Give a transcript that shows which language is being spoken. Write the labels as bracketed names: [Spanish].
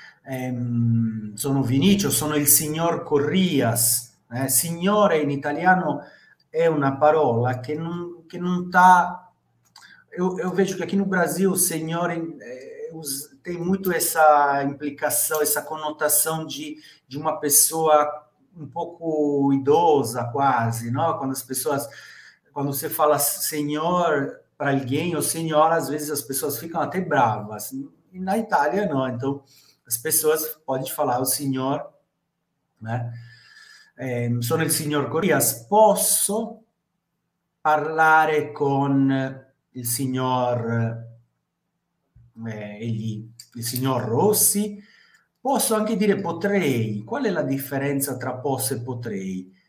[Italian] Sono Vinicio, sono il signor Corrias. Signore in italiano è una parola che non tá. [Portuguese] Eu vejo que aqui no Brasil, senhor, tem muito essa implicação, essa conotação de uma pessoa um pouco idosa, quase, não? Quando as pessoas, quando você fala senhor para alguém ou senhora, às vezes as pessoas ficam até bravas. E na Itália, não. Então, as pessoas podem falar o senhor, né? [Italian] Sono il signor Corrias, posso parlare con il signor il signor Rossi? Posso anche dire potrei. Qual è la differenza tra posso e potrei?